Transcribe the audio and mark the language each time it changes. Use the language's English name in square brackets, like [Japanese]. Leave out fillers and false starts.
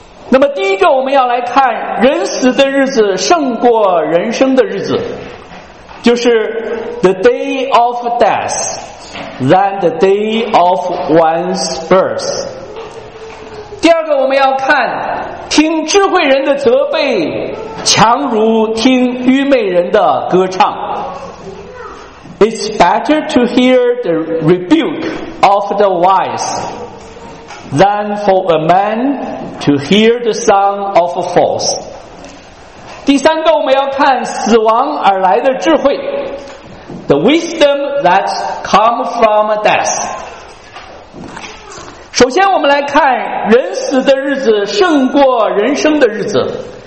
[Chinese] 那么第一个我们要来看人死的日子胜过人生的日子，就是 [English] the day of death than the day of one's birth。 [Chinese] 第二个我们要看听智慧人的责备强如听愚昧人的歌唱。 [English] It's better to hear the rebuke of the wise than for a man to hear the song of a fool。 [Chinese] 第三个我们要看死亡而来的智慧， [English] The wisdom that comes from death。 [Chinese] 首先我们来看人死的日子胜过人生的日子。